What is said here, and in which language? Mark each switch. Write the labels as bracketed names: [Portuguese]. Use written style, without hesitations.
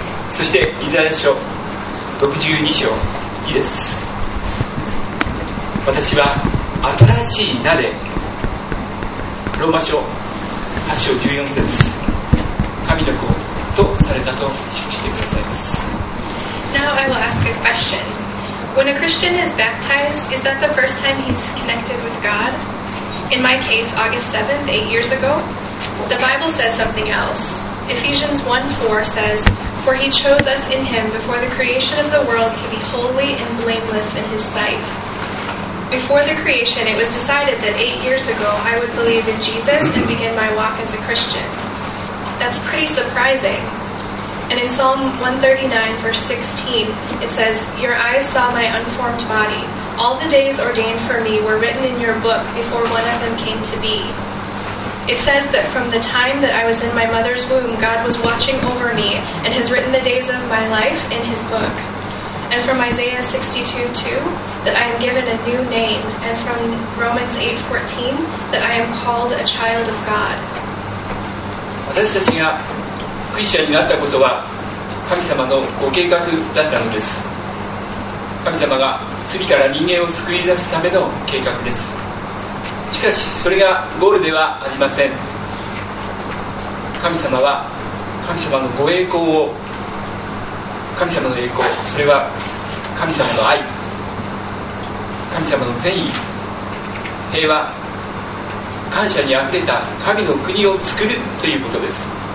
[Japanese] そしてイザヤ書62章2です。私は新しい名で、ローマ書8章14節、神の子とされたと記してくださいます。 [English] Now I will ask a question. When a Christian is baptized, is that the first time he's connected with God? In my case, August 7th, 8 years ago, the Bible says something else. Ephesians 1:4 says, "For he chose us in him before the creation of the world to be holy and blameless in his sight." Before the creation, it was decided that 8 years ago I would believe in Jesus and begin my walk as a Christian. That's pretty surprising. And in Psalm 139, verse 16, it says, "Your eyes saw my unformed body. All the days ordained for me were written in your book before one of them came to be." It says that from the time that I was in my mother's womb, God was watching over me and has written the days of my life in his book. And from Isaiah 62:2, that I am given a new name. And from Romans 8:14, that I am called a child of God. [Japanese] 私たちがクリスチャンになったことは神様のご計画だったのです。神様が罪から人間を救い出すための計画です。しかしそれがゴールではありません。神様は神様のご栄光を、神様の栄光、それは神様の愛、神様の善意、平和、感謝にあふれた神の国を作るということです。